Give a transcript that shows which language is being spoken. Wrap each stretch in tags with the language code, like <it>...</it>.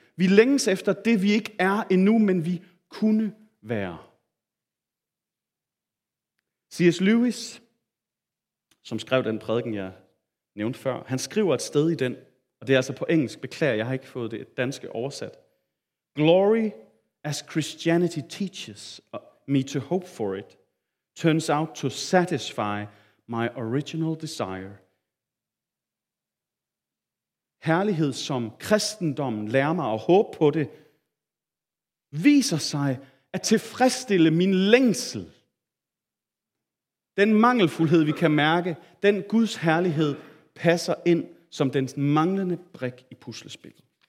<da>Vi længes efter det, vi ikke er endnu, men vi kunne være. C.S. Lewis, som skrev den prædiken, jeg nævnte før, han skriver et sted i den, og det er altså på engelsk, beklager, jeg har ikke fået det danske oversat.</da> <en>Glory, as Christianity teaches me to hope for it, turns out to satisfy my original desire.</en> <da>Herlighed, som kristendommen lærer mig at håbe på det, viser sig at tilfredsstille min længsel. Den mangelfuldhed, vi kan mærke, den Guds herlighed passer ind som den manglende brik i puslespillet.</da>